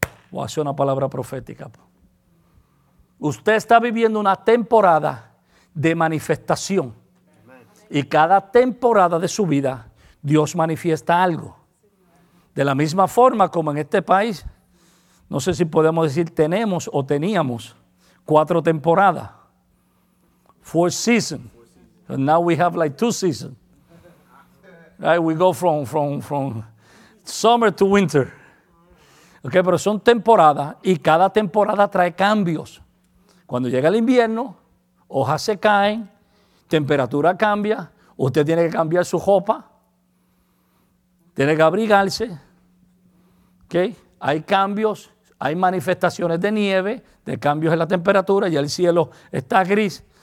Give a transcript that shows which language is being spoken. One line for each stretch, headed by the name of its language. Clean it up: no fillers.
Spanish: Voy a hacer una palabra profética. Usted está viviendo una temporada de manifestación. Y cada temporada de su vida, Dios manifiesta algo. De la misma forma como en este país, no sé si podemos decir tenemos o teníamos 4 temporadas.
English: 4 seasons. And now we have like 2 seasons. Right, we go from summer to winter.
Spanish: Okay, pero son temporadas y cada temporada trae cambios. Cuando llega el invierno, hojas se caen, temperatura cambia, usted tiene que cambiar su ropa. Tiene que abrigarse, ¿ok? Hay cambios, hay manifestaciones de nieve, de cambios en la temperatura, ya el cielo está gris.